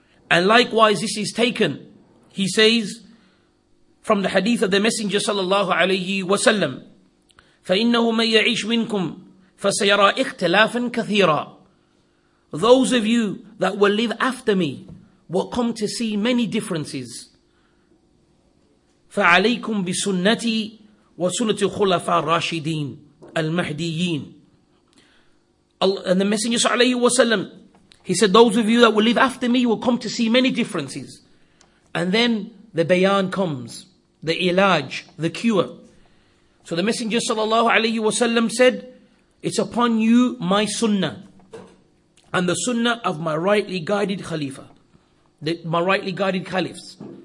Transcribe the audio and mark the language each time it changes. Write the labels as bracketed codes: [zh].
[en] And likewise, this is taken, he says, from the hadith of the Messenger sallallahu alayhi wa sallam, [ar] فَإِنَّهُ مَنْ يَعِيشْ مِنْكُمْ فَسَيَرَى إِخْتَلَافًا كَثِيرًا [en] Those of you that will live after me will come to see many differences. [ar] فعليكم بسنتي وسنة الخلفاء الراشدين المهديين. [en] And the Messenger sallallahu alayhi wa sallam, he said, those of you that will live after me will come to see many differences. And then the bayan comes, the ilaj, the cure. So the Messenger sallallahu alayhi wa sallam said, it's upon you my sunnah and the sunnah of my rightly guided khalifa, my rightly guided caliphs.